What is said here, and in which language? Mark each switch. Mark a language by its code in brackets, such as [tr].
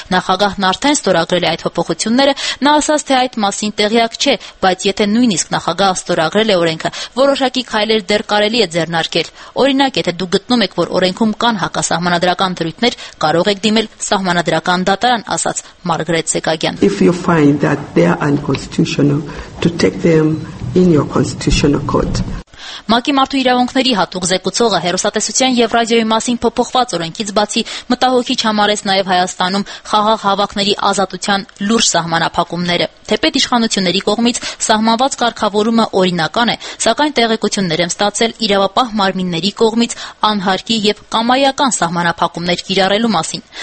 [hy] նախագահն արդեն ստորագրել է այդ փոփոխությունները, նա ասաց, թե այդ մասին տեղյակ չէ, բայց եթե նույնիսկ նախագահը ստորագրել է օրենքը, որոշակի քայլեր դեռ կարելի է ձեռնարկել։ Օրինակ, եթե դու գտնում ես, որ օրենքում կան հակասահմանադրական դրույթներ, կարող ես դիմել սահմանադրական դատարան, ասաց Մարգրետ Սեկագյան։ [en] If you find that they are unconstitutional, to take them in your constitutional court. [hy] ՄԱԿ-ի մարդու իրավունքների հատուկ զեկուցողը հեռուստատեսության և ռադիոյի մասին փոփոխված օրենքից բացի մտահոգիչ համարեց նաև Հայաստանում խաղաղ հավաքների ազատության լուրջ սահմանափակումները։ Թեպետ իշխանությունների կողմից սահմանված կարգավորումը օրինական է, սակայն տեղեկություններ եմ ստացել իրավապահ մարմինների կողմից անհարկի և կամայական սահմանափակումներ կիրառելու մասին։